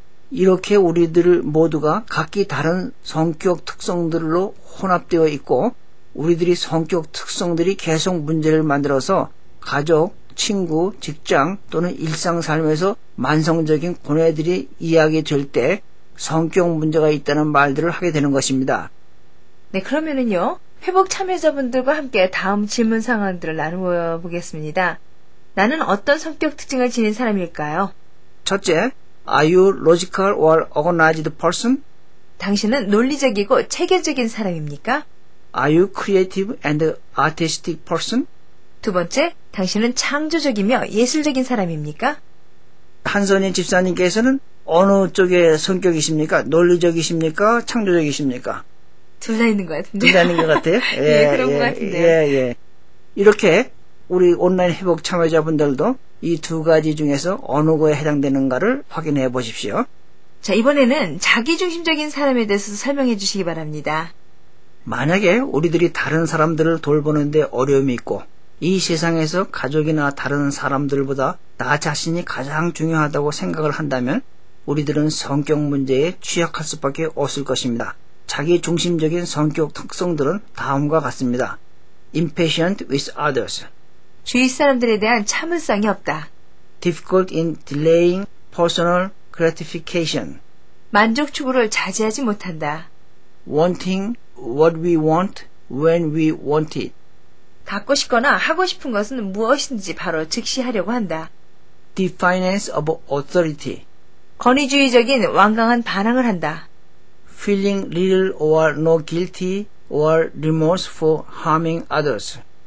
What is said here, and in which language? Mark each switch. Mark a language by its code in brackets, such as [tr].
[ko] 이렇게 우리들 모두가 각기 다른 성격 특성들로 혼합되어 있고 우리들이 성격 특성들이 계속 문제를 만들어서 가족, 친구, 직장 또는 일상삶에서 만성적인 고뇌들이 이야기될 때 성격 문제가 있다는 말들을 하게 되는 것입니다. 네, 그러면은요. 회복 참여자분들과 함께 다음 질문 상황들을 나누어 보겠습니다. 나는 어떤 성격 특징을 지닌 사람일까요? 첫째, [en] Are you logical or organized person? [ko] 당신은 논리적이고 체계적인 사람입니까? [en] Are you creative and artistic person? [ko] 두 번째, 당신은 창조적이며 예술적인 사람입니까? 한선희 집사님께서는 어느 쪽의 성격이십니까? 논리적이십니까? 창조적이십니까? 둘 다 있는 것 같은데. 둘 다 있는 것 같아요? 예, 예, 그런 것 같은데. 예, 예. 이렇게 우리 온라인 회복 참여자분들도 이 두 가지 중에서 어느 거에 해당되는가를 확인해 보십시오. 자, 이번에는 자기중심적인 사람에 대해서 설명해 주시기 바랍니다. 만약에 우리들이 다른 사람들을 돌보는데 어려움이 있고 이 세상에서 가족이나 다른 사람들보다 나 자신이 가장 중요하다고 생각을 한다면 우리들은 성격 문제에 취약할 수밖에 없을 것입니다. 자기중심적인 성격 특성들은 다음과 같습니다. [en] Impatient with others. [ko] 주위 사람들에 대한 참을성이 없다. [en] Difficult in delaying personal gratification. [ko] 만족 추구를 자제하지 못한다. [en] Wanting what we want when we want it. [ko] 갖고 싶거나 하고 싶은 것은 무엇인지 바로 즉시 하려고 한다. [en] Defiance of authority. [ko] 권위주의적인 완강한 반항을 한다. [en] Feeling little or no guilty or remorse for harming others.